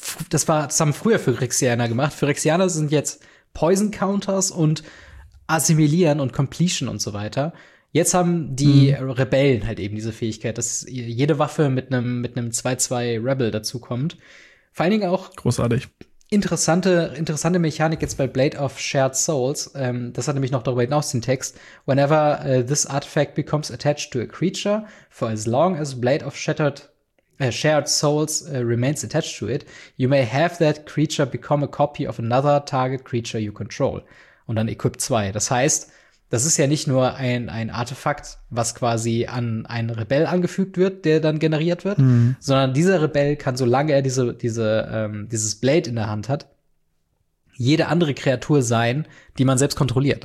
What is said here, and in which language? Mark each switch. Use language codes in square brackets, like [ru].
[de] Das haben früher Phyrexianer gemacht. Phyrexianer sind jetzt Poison Counters und Assimilieren und Completion und so weiter. Jetzt haben die Rebellen halt eben diese Fähigkeit, dass jede Waffe mit einem 2-2 Rebel dazu kommt. Vor allen Dingen auch großartig. Interessante Mechanik jetzt bei Blade of Shared Souls. Das hat nämlich noch darüber hinaus den Text. [en] Whenever this artifact becomes attached to a creature, for as long as Blade of Shared Souls remains attached to it, you may have that creature become a copy of another target creature you control. [de] Und dann equip 2. Das heißt, das ist ja nicht nur ein Artefakt, was quasi an einen Rebell angefügt wird, der dann generiert wird, sondern dieser Rebell kann, solange er dieses Blade in der Hand hat, jede andere Kreatur sein, die man selbst kontrolliert.